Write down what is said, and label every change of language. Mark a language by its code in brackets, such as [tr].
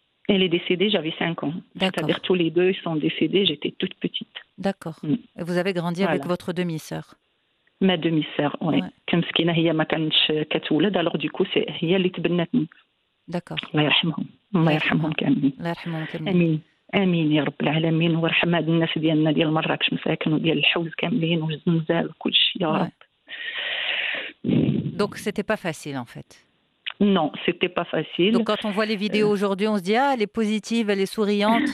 [fr] Il est décédé, j'avais 5 ans. D'accord. C'est-à-dire tous les deux ils sont décédés, j'étais toute petite. D'accord. Et vous avez grandi avec votre demi-sœur? Ma demi-sœur, oui. Comme ce qui n'a [ar] hiya ma kanch katoulad, [fr] alors du coup c'est [ar] hiya li tbannatni. [fr] D'accord. [ar] Allah yarhamhom. Allah yarhamhom kamel. Allah yarhamhom kamel. Amin. أمين يا رب العالمين وارحم هاد الناس ديالنا ديال مراكش مساكن وديال الحوز كاملين والزنزال وكل شيء يا رب. [fr] Donc c'était pas facile en fait. Non, c'était pas facile. Donc quand on voit les vidéos aujourd'hui, on se dit ah, elle est positive, elle est souriante.